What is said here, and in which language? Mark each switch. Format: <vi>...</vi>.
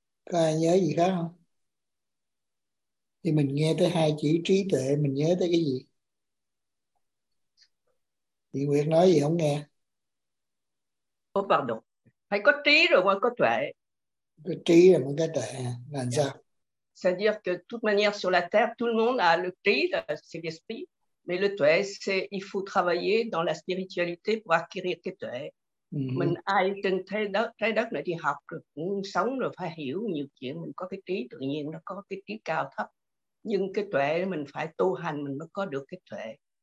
<vi>Có ai nhớ gì khác không? Thì mình nghe tới hai chữ trí tuệ, mình nhớ tới cái gì? Chị Nguyệt nói gì không nghe?</vi> <fr>Oh, pardon.</fr> <vi>Phải có trí rồi mới có tuệ. Có trí rồi mới có tuệ, làm sao?</vi> <fr>C'est-à-dire que de toute manière sur la Terre, tout le monde a le trí, c'est l'esprit. Mais le tuệ, c'est il faut travailler dans la spiritualité pour acquérir cái tuệ.</fr> <vi>Mình ai trên trái đất này đi học rồi cũng sống rồi phải hiểu nhiều chuyện, mình có cái trí tự nhiên, nó có cái trí cao thấp, nhưng cái tuệ mình phải tu hành mình mới có được cái tuệ.</vi>